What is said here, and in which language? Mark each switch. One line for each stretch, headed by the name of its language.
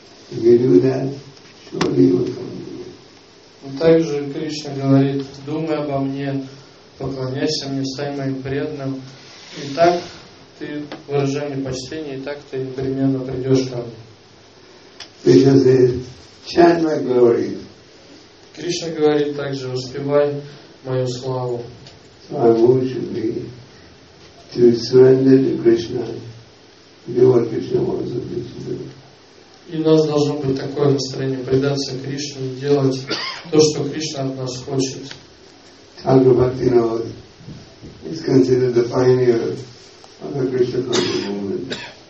English: If you do that, surely you will come to me.
Russian: Также Кришна говорит, думай обо мне, поклоняйся мне, стань моим преданным. И так ты, выражай мне почтение, и так ты непременно придешь ко мне.
English: Кришна says, chant my glory.
Russian: Кришна говорит также, воспевай мою славу.
English: So I will should be to surrender to Krishna, do what Krishna wants of me to do.
Russian: И у нас должно быть такое настроение предаться Кришне и делать то, что Кришна от нас хочет.
English: Thakur Bhaktivinoda is considered the pioneer of the Krishna conscious movement.